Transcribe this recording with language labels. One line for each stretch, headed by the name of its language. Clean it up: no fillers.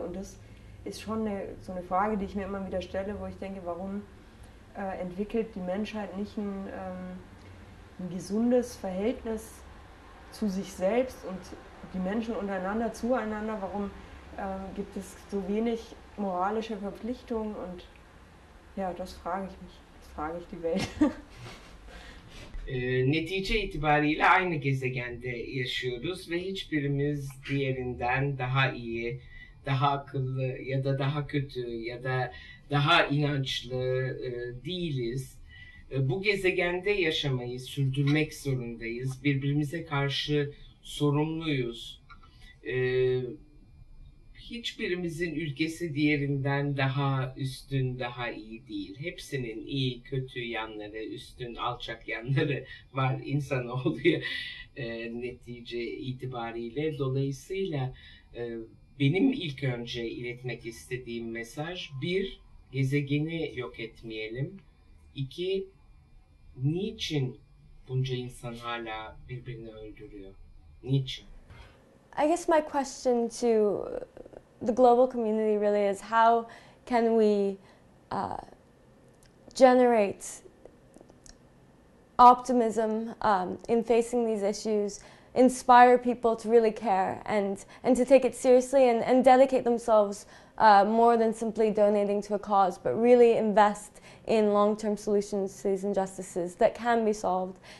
German: Und das ist schon so eine Frage, die ich mir immer wieder stelle, wo ich denke, warum entwickelt die Menschheit nicht ein gesundes Verhältnis zu sich selbst und die Menschen untereinander, zueinander, warum gibt es so wenig moralische Verpflichtungen und ja, das frage ich mich, das frage ich die Welt.
Turkish: Netice itibariyle aynı gezegende yaşıyoruz ve hiçbirimiz diğerinden daha iyi, daha akıllı ya da daha kötü ya da daha inançlı değiliz. Bu gezegende yaşamayı sürdürmek zorundayız. Birbirimize karşı sorumluyuz. Hiçbirimizin ülkesi diğerinden daha üstün, daha iyi değil. Hepsinin iyi, kötü yanları, üstün, alçak yanları var insanoğlu netice itibariyle. Dolayısıyla benim ilk önce iletmek istediğim mesaj, bir, gezegeni yok etmeyelim. İki, niçin bunca insan hala birbirini öldürüyor? Niçin?
English: I guess my question to the global community really is, how can we generate optimism in facing these issues, inspire people to really care and to take it seriously and dedicate themselves more than simply donating to a cause, but really invest in long-term solutions to these injustices that can be solved.